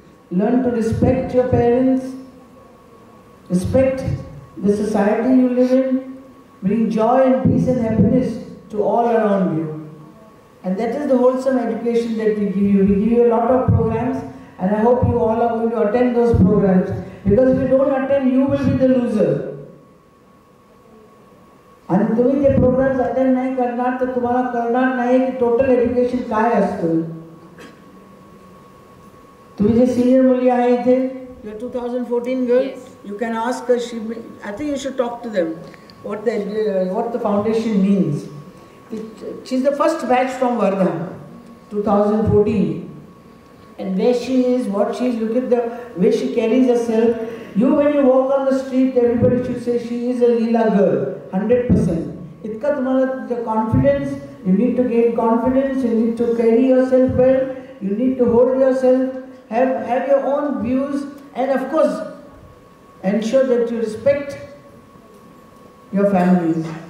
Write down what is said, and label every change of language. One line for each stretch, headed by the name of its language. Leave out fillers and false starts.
English: Learn to respect your parents, respect the society you live in, bring joy and peace and happiness to all around you. And that is the wholesome education that we give you. We give you a lot of programs, and I hope you all are going to attend those programs. Because if you don't attend, you will be the loser.
Marathi: आणि तुम्ही ते programs attend नाही करणार तर तुम्हाला कळणार नाही की टोटल एज्युकेशन काय असतं. तुम्ही जे सिनियर मुली आहे इथे,
English: You are 2014 girls, you can ask she, I think you should talk to them what the foundation means. She is the first batch from Wardha 2014, and where she is, what she is, look at the way she carries a self. You when you walk on the street, everybody should say she is a Leela girl 100%.
Marathi: Itka tumhala
English: the confidence, you need to gain confidence, you need to carry yourself well, you need to hold yourself, have your own views, and of course ensure that you respect your families.